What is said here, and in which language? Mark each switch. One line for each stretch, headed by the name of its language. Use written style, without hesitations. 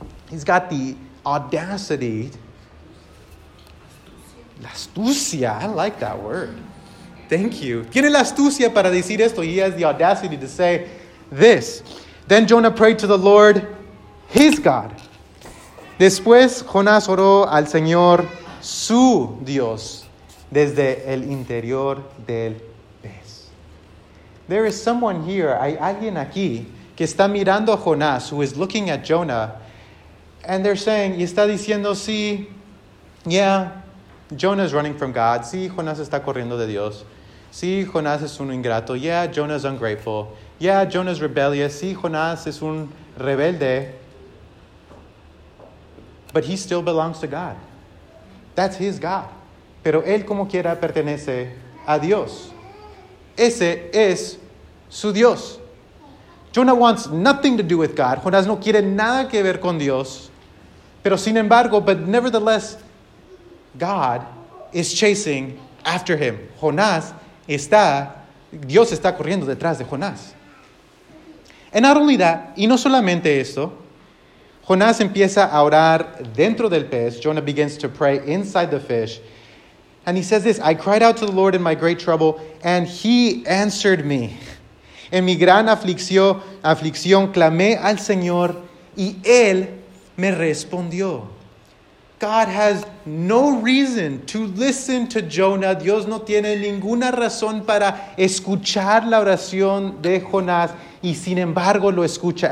English: He's got the audacity,
Spanish: la astucia,
English: I like that word, thank you.
Spanish: Tiene la astucia para decir esto,
English: he has the audacity to say this. Then Jonah prayed to the Lord, his God.
Spanish: Después Jonás oró al Señor, su Dios, desde el interior del pez.
English: There is someone here,
Spanish: hay alguien aquí, que está mirando a Jonás,
English: who is looking at Jonah. And they're saying,
Spanish: y está diciendo, sí,
English: yeah, Jonah's running from God.
Spanish: Sí, Jonás está corriendo de Dios. Sí, Jonás es un ingrato.
English: Yeah, Jonah is ungrateful. Yeah, Jonah is rebellious.
Spanish: Sí, Jonás es un rebelde.
English: But he still belongs to God. That's his God.
Spanish: Pero él como quiera pertenece a Dios. Ese es su Dios.
English: Jonah wants nothing to do with God.
Spanish: Jonás no quiere nada que ver con Dios. Pero sin embargo,
English: but nevertheless, God is chasing after him.
Spanish: Jonás está, Dios está corriendo detrás de Jonás.
English: And not only that,
Spanish: y no solamente esto, Jonás empieza a orar dentro del pez.
English: Jonah begins to pray inside the fish. And he says this, I cried out to the Lord in my great trouble, and he answered me.
Spanish: En mi gran aflicción, clamé al Señor, y él me respondió.
English: God has no reason to listen to Jonah.
Spanish: Dios no tiene ninguna razón para escuchar la oración de Jonás, y sin embargo lo escucha.